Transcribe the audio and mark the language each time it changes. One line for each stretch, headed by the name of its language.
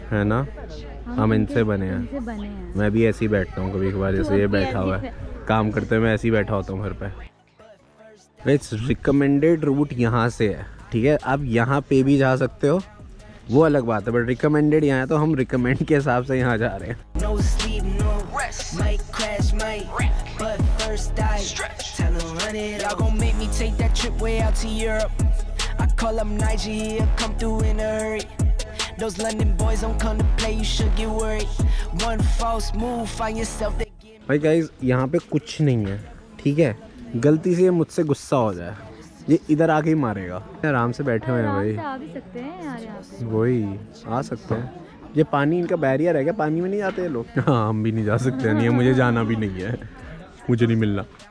Hindi: है ना, हम इनसे बने हैं। मैं भी ऐसे ही बैठता हूँ कभी कभार, जैसे ये बैठा हुआ है काम करते हुए, मैं ऐसे ही बैठा होता हूँ घर पे।
English: it's recommended route
Hindi: यहाँ से है, ठीक है। आप यहाँ पे भी जा सकते हो, वो अलग बात है, बट रिकमेंडेड यहाँ है तो हम रिकमेंड के हिसाब से यहाँ जा रहे हैं।
English: No sleep, no rest, might crash, might wreck, but first I stretch. Tell him run it, I gon' make me take that trip way out to Europe. I call him Niger, he'll come through in a hurry. Those London boys don't come to play, you should get worried. One false move, find yourself they get.
Hindi: भाई guys यहाँ पे कुछ नहीं है, ठीक है। गलती से ये मुझसे गुस्सा हो जाए, ये इधर आके ही मारेगा। आराम से बैठे हुए हैं भाई, आ भी सकते हैं यार यहाँ पे, वही आ सकते हैं। ये पानी इनका बैरियर है क्या, पानी में नहीं जाते ये लोग? हाँ हम भी नहीं जा सकते हैं, नहीं है, मुझे जाना भी नहीं है, मुझे नहीं मिलना।